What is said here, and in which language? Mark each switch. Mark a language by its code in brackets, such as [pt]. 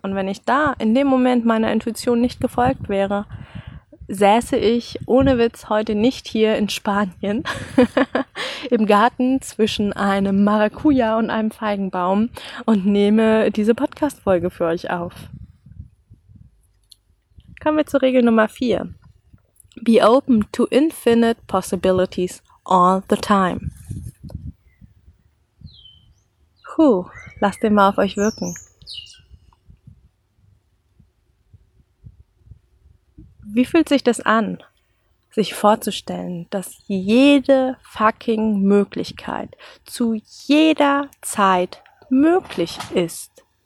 [de] Und wenn ich da in dem Moment meiner Intuition nicht gefolgt wäre, säße ich ohne Witz heute nicht hier in Spanien im Garten zwischen einem Maracuja und einem Feigenbaum und nehme diese Podcast-Folge für euch auf. Kommen wir zur Regel Nummer 4. [en] Be open to infinite possibilities all the time. [de] Puh, lasst den mal auf euch wirken. Wie fühlt sich das an, sich vorzustellen, dass jede fucking Möglichkeit zu jeder Zeit möglich ist?